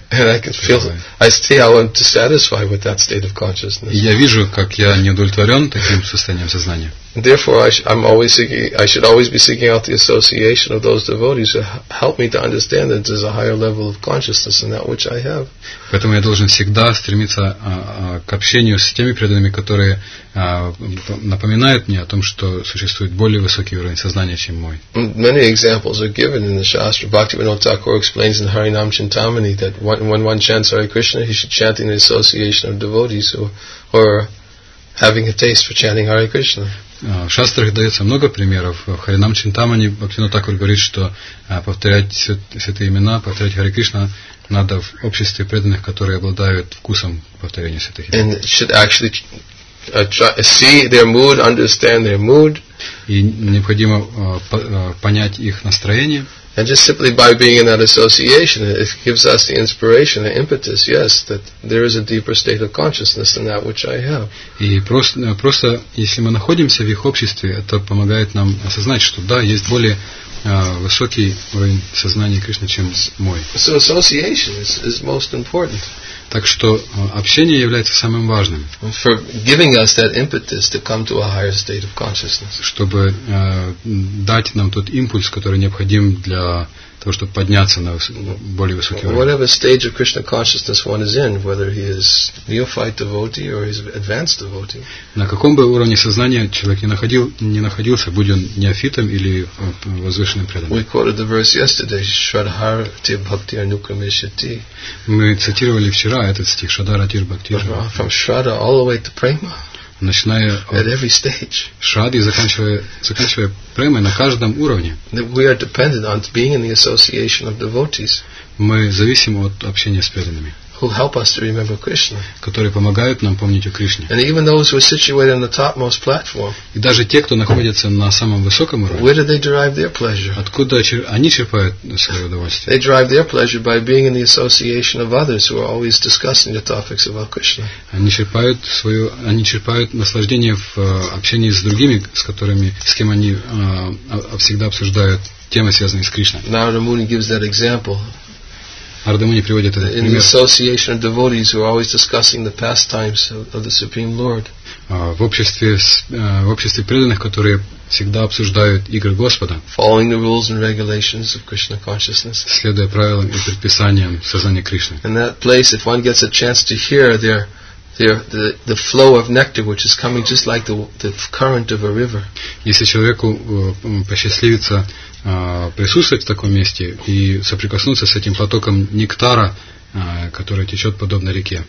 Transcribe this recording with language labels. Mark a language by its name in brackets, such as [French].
[English] And I can feel, I see how I'm dissatisfied with that state of consciousness. [Russian] И я вижу, как я неудовлетворен таким состоянием сознания. [English] Therefore, I should always be seeking out the association of those devotees who help me to understand that there's a higher level of consciousness than that which I have. [Russian] Поэтому я должен всегда стремиться к общению с теми преданными, которые напоминают мне о том, что существует более высокий уровень сознания, чем мой. [English] Many examples are given in the Shastra. Bhaktivinoda Thakur explains in Harinam Chintamani that when one chants Hare Krishna, he should chant in the association of devotees who are having a taste for chanting Hare Krishna. [Russian] В шастрах дается много примеров. В Харинам Чинтамани Бхактивинода Такур говорит, что повторять святые имена, повторять Харе Кришна надо в обществе преданных, которые обладают вкусом повторения святых имен. [English] And should actually see their mood, understand their mood. [Russian] И необходимо понять их настроение. [English] And just simply by being in that association, it gives us the inspiration, the impetus, yes, that there is a deeper state of consciousness than that which I have. [Russian] И просто если мы находимся в их обществе, это помогает нам осознать, что да, есть более высокий уровень сознания Кришны, чем мой. [English] So association is most important. [Russian] Так что общение является самым важным. [English] For giving us that impetus to come to a higher state of consciousness. [Russian] Чтобы дать нам тот импульс, который необходим для того, чтобы подняться на более высокий уровень. [English] Whatever stage of Krishna consciousness one is in, whether he is neophyte devotee or he's advanced devotee. [Russian] На каком бы уровне сознания человек не находился, будь он неофитом или возвышенным преданным. [English] We quoted the verse yesterday, Shraddhar Ti Bhakti Anukramishati. [Russian] Мы цитировали вчера этот стих, Shraddhar Ti Bhakti. [English] From Shraddha all the way to Prema. [Russian] Начиная [English] at every stage. [Russian] Шрадхи, заканчивая премой на каждом уровне. [English] We are dependent on being in the association of devotees. [Russian] Мы зависим от общения с преданными. [English] Who help us to remember Krishna. [Russian] Которые помогают нам помнить о Кришне. [English] And even those who are situated on the topmost platform. [Russian] И даже те, кто находится на самом высоком уровне. [English] Where do they derive their pleasure? [Russian] Откуда они черпают свое удовольствие? [English] They derive their pleasure by being in the association of others who are always discussing the topics about Krishna. [Russian] Они черпают наслаждение в общении с другими, с кем они всегда обсуждают темы, связанные с Кришной. [English] Narada Muni gives that example. [Russian] Ардамуни приводит этот [English] пример. In the association of devotees who are always discussing the pastimes of the Supreme Lord. [Russian] В обществе преданных, которые всегда обсуждают игры Господа. [English] Following the rules and regulations of Krishna consciousness. [Russian] Следуя правилам и предписаниям сознания Кришны. [English] In that place, if one gets a chance to hear the flow of nectar, which is coming just like the current of a river. [Russian] Если человеку посчастливится присутствовать в таком месте и соприкоснуться с этим потоком нектара, который течет подобно реке.